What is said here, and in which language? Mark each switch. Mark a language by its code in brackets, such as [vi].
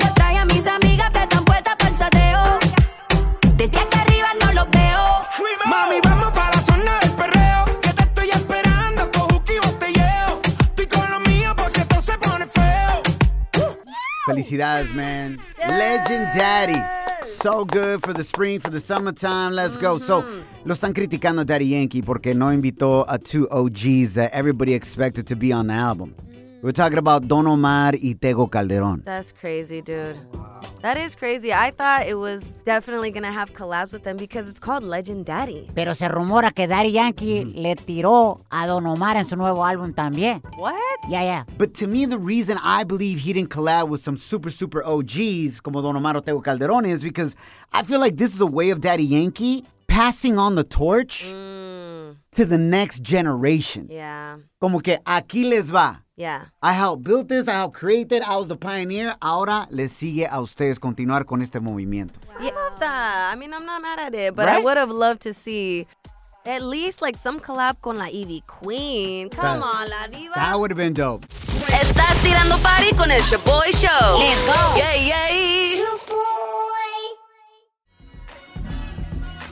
[es] Yo traje a mis amigas que están puestas para el sateo. Desde acá arriba no los veo. ¡Fuimos! Mami, vamos pa la zona del perreo. Que te estoy esperando, cultivo te llevo. Estoy con lo mío, por si esto se pone feo. Felicidades. Felicidades, [en] man. Yes. Legend Daddy. So good for the spring, for the summertime. Let's go. So, [es] lo están criticando [en] Daddy Yankee [es] porque no invitó a [en] two OGs that everybody expected to be on the album. We're talking about Don Omar y Tego Calderon. That's crazy, dude. Oh, wow. That is crazy. I thought it was definitely going to have collabs with them because it's called Legend Daddy. [es] Pero se rumora que Daddy Yankee le tiró a Don Omar en su nuevo álbum también. [en] What? Yeah, yeah. But to me, the reason I believe he didn't collab with some super, super OGs [es] como [en] Don Omar or Tego Calderon is because I feel like this is a way of Daddy Yankee passing on the torch to the next generation. Yeah. [es] Como que aquí les va. [en] Yeah. I helped build this, I helped create it, I was the pioneer. [es] Ahora les sigue a ustedes continuar con este movimiento. [en] Wow. Yeah, I love that. I mean, I'm not mad at it, but right? I would have loved to see at least like some collab [es] con la [en] Ivy Queen. Come on, [es] la diva. [en] That would have been dope. [es] Estás tirando party con el Shaboy Show. [en] Let's go. Yay, yay. Shaboy.